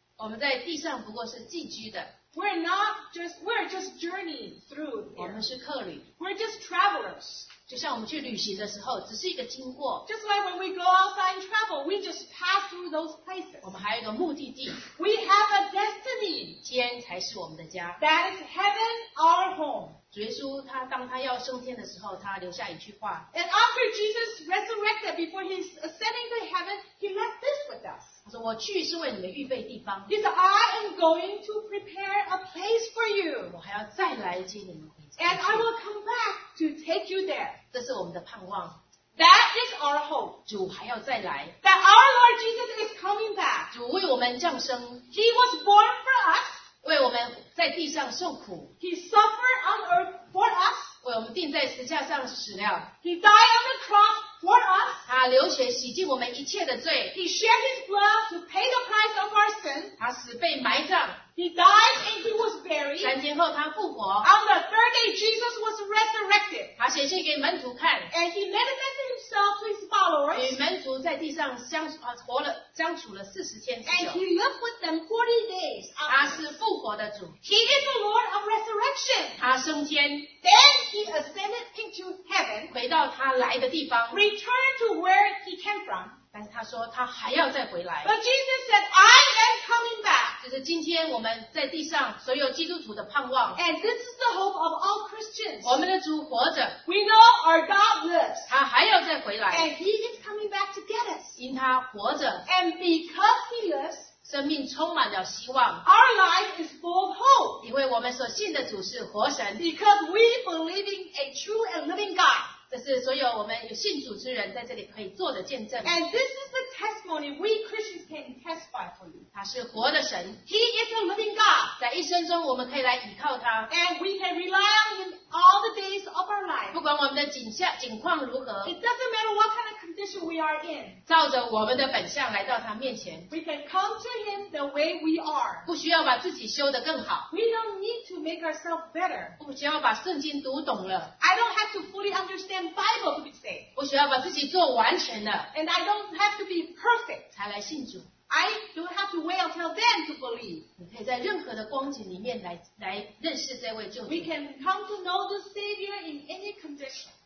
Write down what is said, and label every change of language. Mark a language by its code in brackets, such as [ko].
[zh] 我们在地上不过是寄居的 [en] We're just journeying through here [zh] 我们是客旅 [en] We're just travelers [zh] 就像我们去旅行的时候只是一个经过 [en] Just like when we go outside and travel We just pass through those places [zh] 我们还有一个目的地 [en] We have a destiny [zh] 天才是我们的家 [en] That is heaven our home [zh] 主耶稣他当他要升天的时候他留下一句话 [en] And after Jesus resurrected before he ascended to heaven he left this with us [zh] 他说我去是为你们预备地方 [en] He said I am going to prepare a place for you [zh] 我还要再来接你们 [en] And I will come back to take you there [zh] 这是我们的盼望 [en] That is our hope [zh] 主还要再来 [en] That our Lord Jesus is coming back [zh] 主为我们降生 [en] He was born for us [zh] 为我们在地上受苦 [en] He suffered on earth for us [zh] 为我们钉在十字架上死了 [en] He died on the cross for us [zh] 他流血洗净我们一切的罪 [en] He shed his blood to pay the price of our sin [zh] 他死被埋葬 [en] He died and he was buried [zh] 三天后他复活 [en] On the third day Jesus was resurrected [zh] 他显现给门徒看 [en] And he manifested himself to his [zh] 在地上相处、啊、活了相处了40天之久。 [en] And he lived with them 40 days. [zh] 他是复活的主。 [en] He is the Lord of resurrection. [zh] 他升天。 [en] Then he ascended into heaven. [zh] 回到他来的地方。 [en] Returned to where he came from. [zh] 但是他说他还要再回来。 [en] But Jesus said, I am coming back. [zh] 就是今天我们在地上所有基督徒的盼望。 [en] And this is the hope of all Christians. [zh] 我们的主活着。 [en] We know our God lives. [zh] 他还要再回来。 [en] And he is coming back to get us. [zh] 因他活着。 [en] And because he lives. [zh] 生命充满了希望。 [en] Our life is full of hope. [zh] 因为我们所信的主是活神。 [en] Because we believe in a true and living God. [zh] 这是所有我们有信主之人在这里可以做的见证。 [en] And this is the testimony we Christians can testify for you. [zh] 他是活的神。 [en] He is a living God. [zh] 在一生中我们可以来依靠他。 [en] And we can rely on him all the days of our life. [zh] 不管我们的景况如何。 [en] It doesn't matter what kind of condition we are in. [zh] 照着我们的本相来到他面前。 [en] We can come to him the way we are. [zh] 不需要把自己修得更好。 [en] We don't need to make ourselves better. [zh] 不需要把圣经读懂了。 [en] I don't have to fully understand Bible to be saved. [zh] 不需要把自己做完全了。 [en] And I don't have to be perfect. [zh] 才来信主。 [en] I don't have to wait until then to believe. [zh] 你可以在任何的光景里面 来认识这位救主。 [en] We can come to know the Savior in any condition.